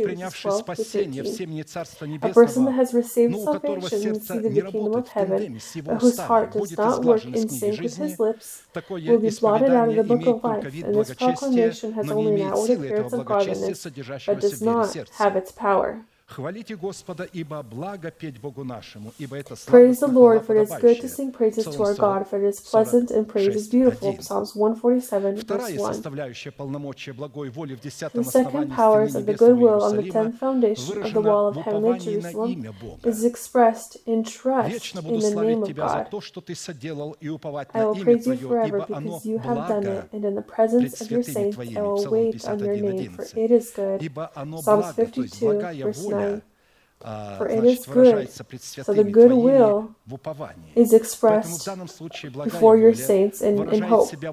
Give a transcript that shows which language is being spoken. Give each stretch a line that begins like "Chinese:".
English: Philippians 2:12-13. A person that has received salvation and sees the kingdom of heaven, but whose heart does not work in sync with his lips, will be blotted out of the book of life. And this proclamation has only an outward appearance of godliness, but does not have its power.
Russian: Хвалите Господа, ибо благо петь Богу нашему, ибо это славно.
English: Praise the Lord, for it is good to sing praises to our God, for it is pleasant and praise is beautiful. Psalms 147:1.
Russian: Составляющая полномочия благой воли в десятом основании.
English: The second powers of the goodwill on the tenth foundation of the wall of heavenly Jerusalem is expressed in trust in the name of God.
Russian: То, что ты соделал, и уповать на имя Твое, ибо оно благо.
English: You have done it, and in the presence of your saints I will wait on your name, for it is good. Psalms 52:1. For it is good, so the goodwill is expressed before your saints in hope.